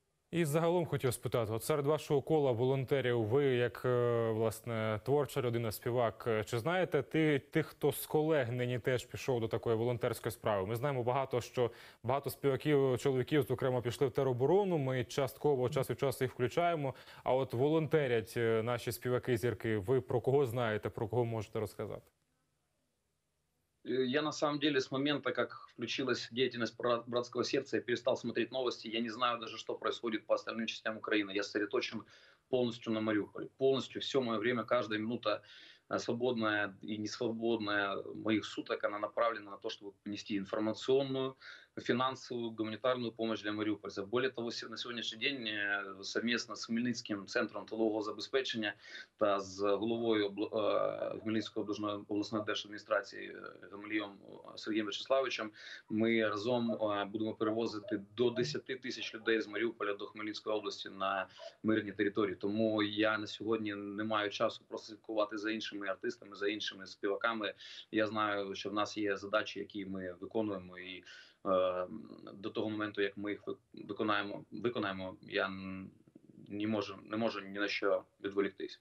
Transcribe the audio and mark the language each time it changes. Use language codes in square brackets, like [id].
[uk] І загалом хотів спитати, от серед вашого кола волонтерів, ви як, власне, творча людина, співак, чи знаєте тих, хто з колег нині теж пішов до такої волонтерської справи? Ми знаємо багато, що багато співаків, чоловіків, зокрема, пішли в тероборону, ми частково, час від часу їх включаємо, а от волонтерять наші співаки-зірки, ви про кого знаєте, про кого можете розказати? [ru] Я на самом деле с момента, как включилась деятельность Братского сердца, я перестал смотреть новости. Я не знаю даже, что происходит по остальным частям Украины. Я сосредоточен полностью на Мариуполе. Полностью все мое время, каждая минута свободная и несвободная моих суток, она направлена на то, чтобы нести информационную, финансовую, гуманитарную помощь для Мариупольцев. Более того, на сегодняшний день совместно с Хмельницким центром тылового обеспечения та с главой Хмельницкой областной администрации Гамалієм Сергеем Вячеславовичем мы разом будем перевозить до 10 тысяч людей из Мариуполя до Хмельницкой области на мирной территории. [uk] Тому я на сегодня не маю часу просто слідкувати за іншими артистами, за іншими співаками. Я знаю, що в нас є задачі, які ми виконуємо, і до того моменту, як ми їх виконаємо, я не можу ні на що відволіктись.